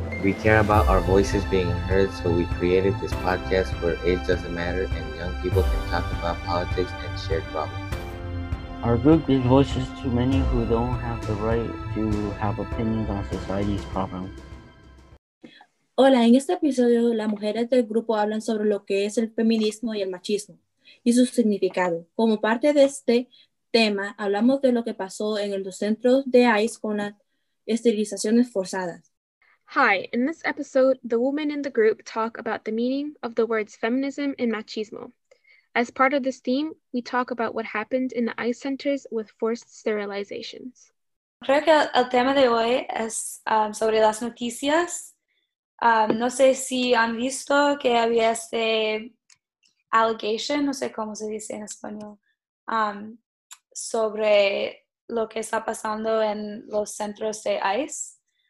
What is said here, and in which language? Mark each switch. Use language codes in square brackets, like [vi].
[en] We care about our voices being heard, so we created this podcast where age doesn't matter and young people can talk about politics and share problems. Our group gives voices to many who don't have the right to have opinions on society's problems. [es] Hola, en este episodio, las mujeres del grupo hablan sobre lo que es el feminismo y el machismo y su significado. Como parte de este tema, hablamos de lo que pasó en los centros de ICE con las esterilizaciones forzadas. [en] Hi, in this episode, the women in the group talk about the meaning of the words feminism and machismo. As part of this theme, we talk about what happened in the ICE centers with forced sterilizations. [es] Creo que el tema de hoy es sobre las noticias. No sé si han visto que había este allegation, no sé cómo se dice en español, sobre lo que está pasando en los centros de ICE.